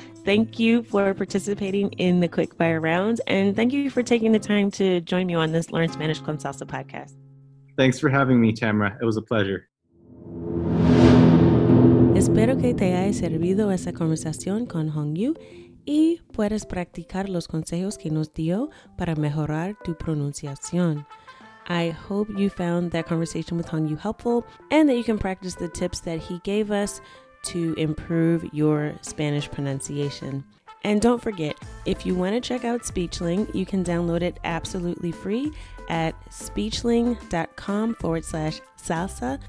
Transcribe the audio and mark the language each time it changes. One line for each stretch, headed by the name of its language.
English: Thank you for participating in the Quickfire Round and thank you for taking the time to join me on this Learn Spanish con Salsa podcast. Thanks for having me, Tamara. It was a pleasure.
Spanish: Espero que te haya servido esa conversación con Hongyu y puedes practicar los consejos que nos dio para mejorar tu pronunciación.
English: I hope you found that conversation with Hongyu helpful and that you can practice the tips that he gave us to improve your Spanish pronunciation. And don't forget, If you want to check out Speechling, you can download it absolutely free at speechling.com/salsa.